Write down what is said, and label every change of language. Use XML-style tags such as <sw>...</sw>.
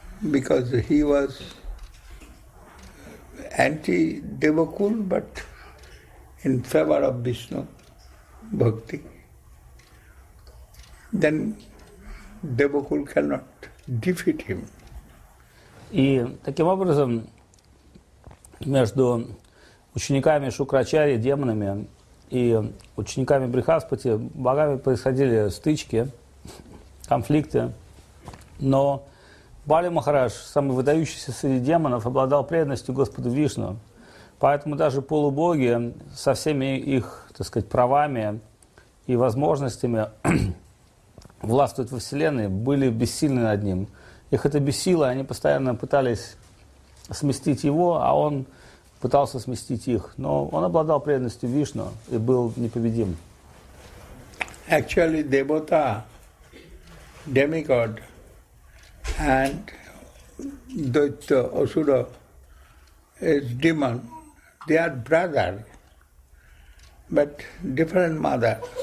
<en>because he was anti-Devakul, but in favor of Vishnu Bhakti. Then Devakul cannot defeat him.</en> <ru>И таким образом между учениками Шукрачари, демонами, и учениками Брихаспати, богами происходили стычки, конфликты. Но Бали Махарадж, самый выдающийся среди демонов, обладал преданностью Господу Вишну. Поэтому даже полубоги со всеми их, так сказать, правами и возможностями властвовать во Вселенной были бессильны над ним. Их это бесило, они постоянно пытались сместить его, а он пытался сместить их. Но он обладал преданностью Вишну и был непобедим.</ru> <en>Actually, Devata, demigod, and Daitya Asura is demon. They are brother, but different mother.</en>